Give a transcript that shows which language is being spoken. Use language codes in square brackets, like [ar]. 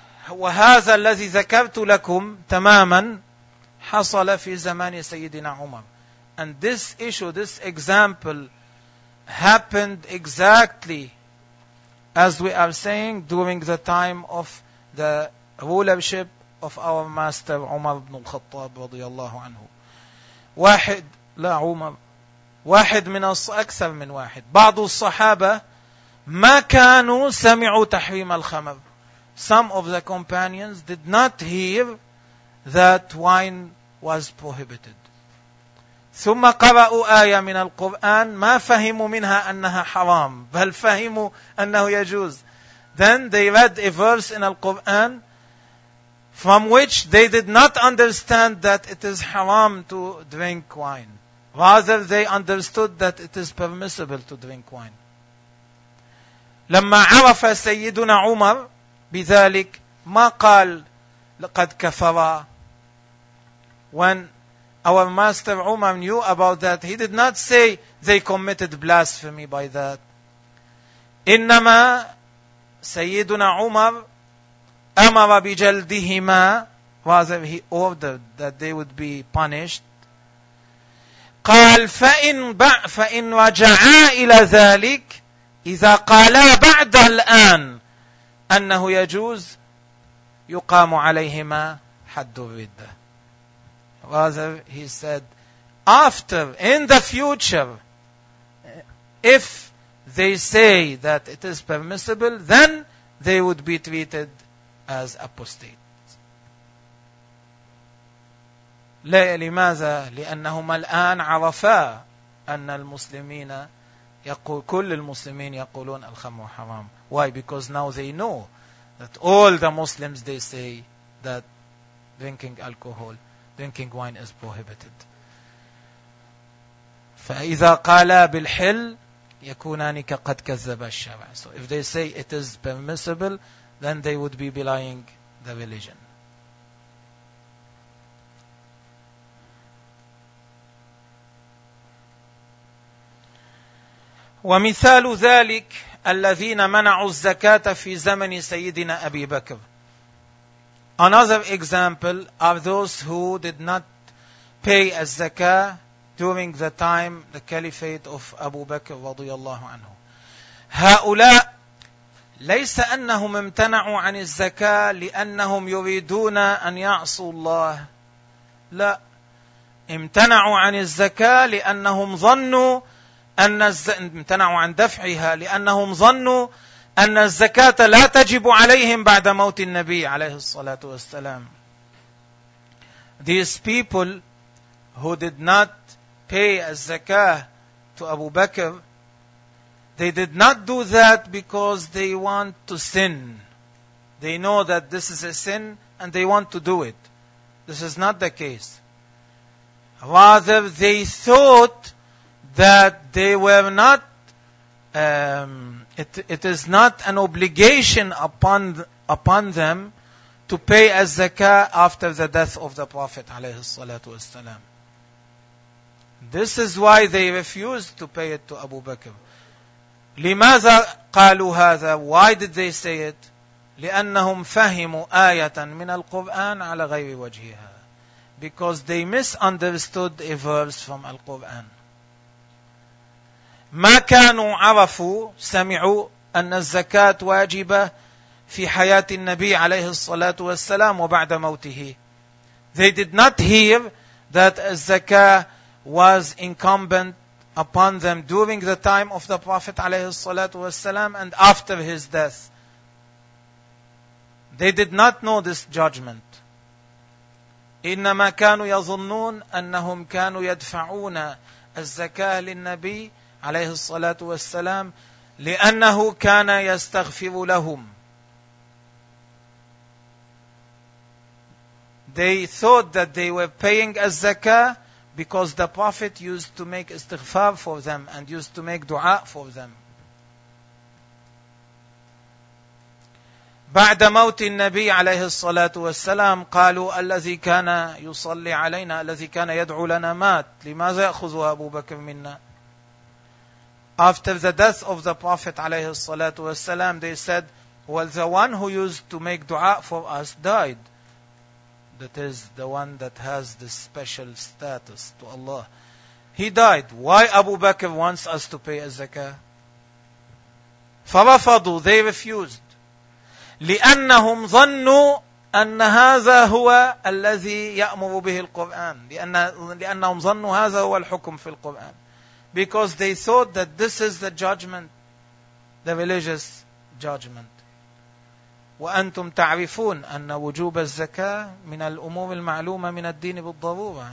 [ar] وهذا الذي ذكرت لكم تماما حصل في زمان سيدنا عمر. [en] And this issue, this example happened exactly as we are saying during the time of the rulership of our master Umar ibn al-Khattab [ar] رضي الله عنه. واحد لا عمر واحد من أكثر من واحد بعض الصحابة ما كانوا سمعوا تحريم الخمر. [en] Some of the companions did not hear that wine was prohibited. [ar] ثم قرأوا آية من القرآن ما فهموا منها أنها حرام بل فهموا أنه يجوز. [en] Then they read a verse in القرآن from which they did not understand that it is haram to drink wine. Rather, they understood that it is permissible to drink wine. [ar] لما عرف سيدنا عمر بذلك ما قال لقد كفر. [en] When our master Umar knew about that, he did not say they committed blasphemy by that. [ar] إنما سيدنا عمر أمر بجلدهما, [en] rather he ordered that they would be punished. [ar] قال فإن رجعا إلى ذلك إذا قالا بعد الآن أنه يجوز يقام عليهما حد الردة. [en] Rather he said, after, in the future, if they say that it is permissible, then they would be treated as apostate. [ar] لماذا؟ لأنهما الآن عرفا أن المسلمين يقول كل المسلمين يقولون الخمر حرام. [en] Why? Because now they know that all the Muslims, they say that drinking alcohol, drinking wine is prohibited. [ar] فإذا قالا بالحل يكونان كقد كذب الشرع. [en] So if they say it is permissible, then they would be belying the religion. [ar] ومثال ذلك الذين منعوا الزكاة في زمن سيدنا أبي بكر. [en] Another example are those who did not pay a zakah during the time, the caliphate of Abu Bakr [ar] رضي الله عنه. هؤلاء ليس أنهم امتنعوا عن الزكاة لأنهم يريدون أن يعصوا الله. لا. امتنعوا عن الزكاة لأنهم ظنوا أن امتنعوا عن دفعها لأنهم ظنوا أن الزكاة لا تجب عليهم بعد موت النبي عليه الصلاة والسلام. [en] These people who did not pay الزكاه to Abu Bakr, they did not do that because they want to sin. They know that this is a sin and they want to do it. This is not the case. Rather, they thought that they were not, it is not an obligation upon them to pay a zakah after the death of the Prophet [ar] عليه الصلاة والسلام. [en] This is why they refused to pay it to Abu Bakr. [ar] لماذا قالوا هذا? [en] Why did they say it? [ar] لأنهم فهموا آية من القرآن على غير وجهها. [en] Because they misunderstood a verse from Al-Quran. [ar] ما كانوا عرفوا سمعوا أن الزكاة واجبة في حياة النبي عليه الصلاة والسلام وبعد موته. [en] They did not hear that الزكاة was incumbent upon them during the time of the Prophet [ar] عليه الصلاة والسلام [en] and after his death. They did not know this judgment. [ar] إنما كانوا يظنون أنهم كانوا يدفعون الزكاة للنبي عليه الصلاة والسلام لأنه كان يستغفر لهم. [en] They thought that they were paying a zakah because the Prophet used to make istighfar for them and used to make dua for them. [ar] بعد موت النبي عليه الصلاة والسلام قالوا الذي كان يصلي علينا الذي كان يدعو لنا مات لماذا يأخذ أبو بكر منا. [en] After the death of the Prophet [ar] عليه الصلاة والسلام, [en] they said, well, the one who used to make dua for us died. That is the one that has this special status to Allah. He died. Why Abu Bakr wants us to pay a zakah? [ar] فرفضوا, [en] they refused. [ar] لأنهم ظنوا أن هذا هو الذي يأمر به القرآن. لأنهم ظنوا هذا هو الحكم في القرآن. [en] Because they thought that this is the judgment, the religious judgment. [ar] وأنتم تعرفون أن وجوب الزكاة من الأمور المعلومة من الدين بالضرورة.